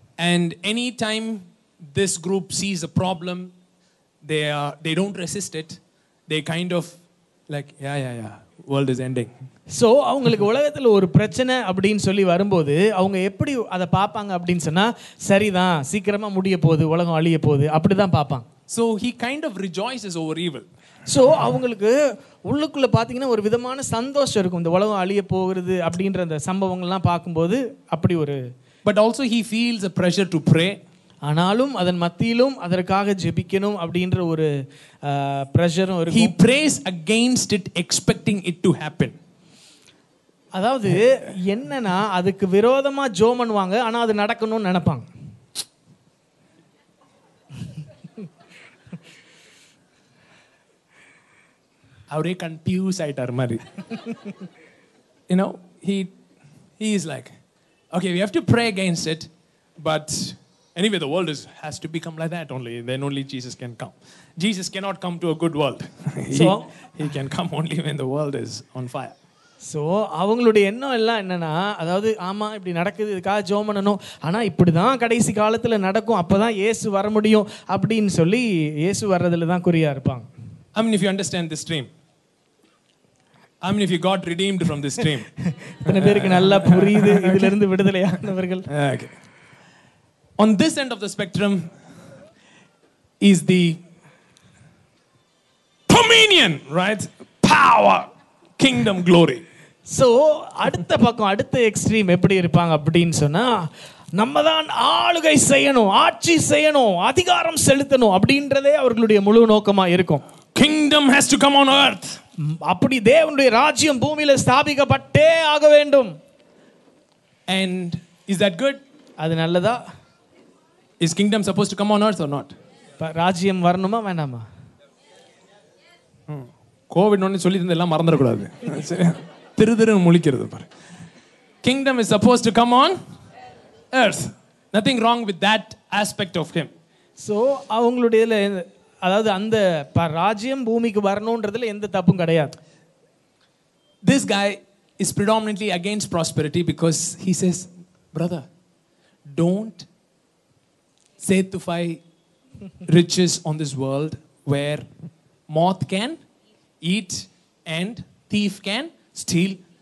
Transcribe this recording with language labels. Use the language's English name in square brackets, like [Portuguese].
[English] And any time this group sees a problem, they don't resist it. They kind of like, yeah, world is ending. [Tamil] So அவங்களுக்கு உலகத்துல ஒரு பிரச்சனை அப்படின்னு சொல்லி வரும்போது அவங்க எப்படி அதை பார்ப்பாங்க அப்படின்னு சொன்னா, சரிதான் சீக்கிரமா முடிய போகுது, உலகம் அழிய போகுது, அப்படிதான் பார்ப்பாங்க. [English] So he kind of rejoices over evil. [Tamil] So அவங்களுக்கு உள்ளுக்குள்ள பாத்தீங்கன்னா ஒரு விதமான சந்தோஷம் இருக்கும், இந்த உலகம் அழிய போகிறது அப்படின்ற அந்த சம்பவங்கள்லாம் பார்க்கும்போது அப்படி ஒரு. [English] But also he feels a pressure to pray. [Tamil] ஆனாலும் அதன் மத்தியிலும் அதற்காக ஜெபிக்கணும் அப்படின்ற ஒரு பிரஷரும் இருக்கும். [English] He prays against it, expecting it to happen. [Tamil] அதாவது என்னன்னா, அதுக்கு விரோதமா ஜோம் பண்ணுவாங்க, ஆனா அது நடக்கணும்னு நினைப்பாங்க. அவரே கன்ஃபியூஸ் ஆயிட்டார் மாதிரி. [English] You know, he is like, okay, we have to pray against it, but anyway, the world has to become like that only. Then only Jesus can come. Jesus cannot come to a good world. He can come only when the world is on fire. [Tamil] So அவங்களுடைய எண்ணம் எல்லாம் என்னன்னா, அதாவது ஆமா இப்படி நடக்குது, இதுக்காக ஜோம் பண்ணணும், ஆனால் இப்படிதான் கடைசி காலத்தில் நடக்கும், அப்போதான் இயேசு வர முடியும் அப்படின்னு சொல்லி இயேசு வர்றதுல தான் குறியா இருப்பாங்க. [English] I mean, if you understand this dream. I mean, if you got redeemed from this dream. Okay. On this end of the spectrum is the dominion, right? Power, kingdom, glory. [Tamil] So, அடுத்த பக்கம் அடுத்த extreme எப்படி இருப்பாங்க அப்படின்னு சொன்னா, நம்ம தான் ஆளுகை செய்யணும், ஆட்சி செய்யணும், அதிகாரம் செலுத்தணும் அப்படின்றதே அவர்களுடைய முழு நோக்கமா இருக்கும். [English] Kingdom has to come on earth. [Tamil] அப்படி தேவனுடைய ராஜ்யம் பூமியில ஸ்தாபிக்கப்பட்டே ஆக வேண்டும். [English] And is that good? [Tamil] அது நல்லதா? [English] Is kingdom supposed to come on earth or not? [Tamil] ராஜ்யம் வரணுமா வேணாமா? கோவிட் ஒன்னு சொல்லி இருந்ததெல்லாம் மறந்துட கூடாது. திருதிரும் முழிக்கிறது பாரு. [English] Kingdom is supposed to come on earth. Nothing wrong with that aspect of him. [Tamil] So அவங்களுடைய, அதாவது அந்த ராஜ்யம் பூமிக்கு வரணும்ன்றதுல எந்த தப்பும் கிடையாது. [English] This guy is predominantly against prosperity because he says, brother, don't satisfy riches on this world where moth can eat and thief can steal.